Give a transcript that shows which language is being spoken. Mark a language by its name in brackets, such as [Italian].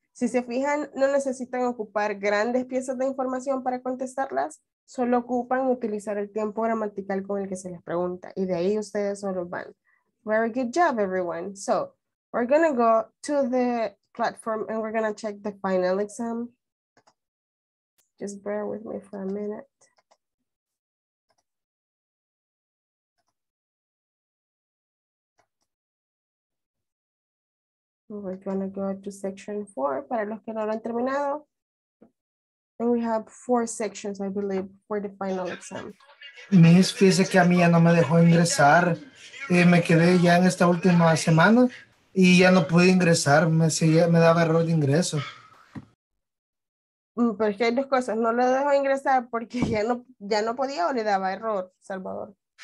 [Spanish] Si se fijan, no necesitan ocupar grandes piezas de información para contestarlas, solo ocupan utilizar el tiempo gramatical con el que se les pregunta, y de ahí ustedes solo van. [English] Very good job, everyone. So, we're going to go to the platform and we're going to check the final exam. Just bear with me for a minute. We're gonna go to section 4 [Spanish] para los que no lo han terminado. [English] And we have 4 sections, I believe, for the final exam. [Spanish] Miss, fíjese que a mí ya no me dejó ingresar. Me quedé ya en esta última semana y ya no pude ingresar. Me daba error de ingreso. Pero es que hay dos cosas. No lo dejó ingresar porque ya no podía o le daba error, Salvador.